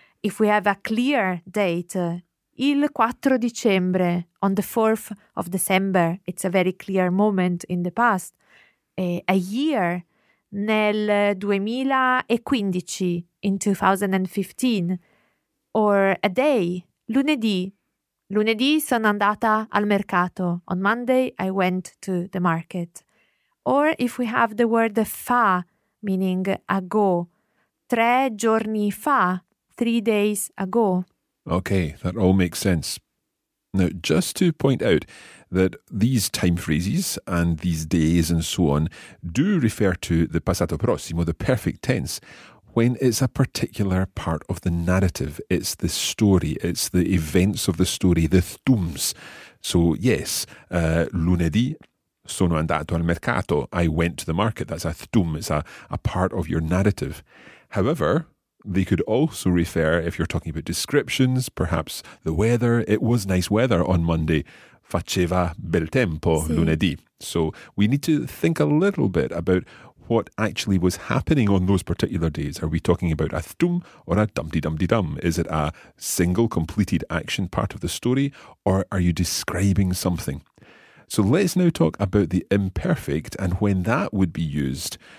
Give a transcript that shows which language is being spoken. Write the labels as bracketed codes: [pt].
[en] If we have a clear date, [it] il 4 dicembre, [en] on the 4th of December, it's a very clear moment in the past, a year, nel 2015, in 2015, or a day, lunedì. [it] Lunedì sono andata al mercato. [en] On Monday, I went to the market. Or if we have the word fa, meaning ago, [it] 3 giorni fa, [en] 3 days ago. Okay, that all makes sense. Now, just to point out that these time phrases and these days and so on do refer to the passato prossimo, the perfect tense, when it's a particular part of the narrative. It's the story, it's the events of the story, the thums. So, yes, [it] lunedì sono andato al mercato. [en] I went to the market. That's a thum. It's a part of your narrative. However, they could also refer, if you're talking about descriptions, perhaps the weather. It was nice weather on Monday. [it] Faceva bel tempo, si, lunedì. [en] So we need to think a little bit about what actually was happening on those particular days. Are we talking about a thum or a dum-di-dum-di-dum? Is it a single completed action part of the story, or are you describing something? So let's now talk about the imperfect and when that would be used.